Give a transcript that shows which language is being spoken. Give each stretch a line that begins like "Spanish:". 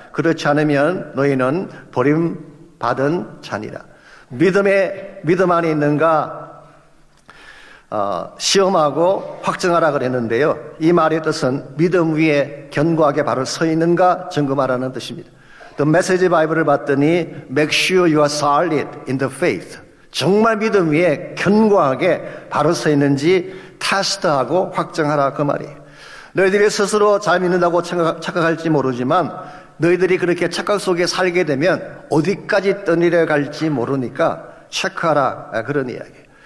Korean: 그렇지 않으면 너희는 버림받은 자니라. 믿음 안에 있는가? 시험하고 확증하라 그랬는데요, 이 말의 뜻은 믿음 위에 견고하게 바로 서 있는가 점검하라는 뜻입니다.
English: The Message Bible을
Korean: 봤더니
English: Make sure you are solid in the faith.
Korean: 정말 믿음 위에 견고하게 바로 서 있는지 테스트하고 확증하라 그 말이에요. 너희들이 스스로 잘 믿는다고 착각할지 모르지만 너희들이 그렇게 착각 속에 살게 되면 어디까지 떠내려 갈지 모르니까 체크하라 그런 이야기.